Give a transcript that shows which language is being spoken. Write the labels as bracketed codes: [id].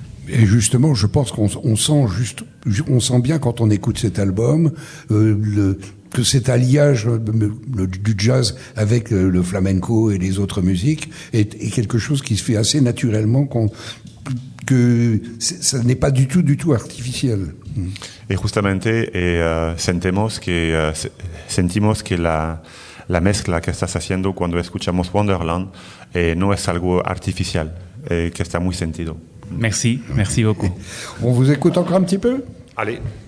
[fr] Et justement, je pense qu'on sent bien quand on écoute cet album que cet alliage du jazz avec le flamenco et les autres musiques est quelque chose qui se fait assez naturellement, que ça n'est pas du tout artificiel. [es] Et justement, sentimos que la mezcla que estás haciendo cuando escuchamos Wonderland no es algo artificial, que está muy sentido. [fr] Merci, merci beaucoup. On vous écoute encore un petit peu? Allez.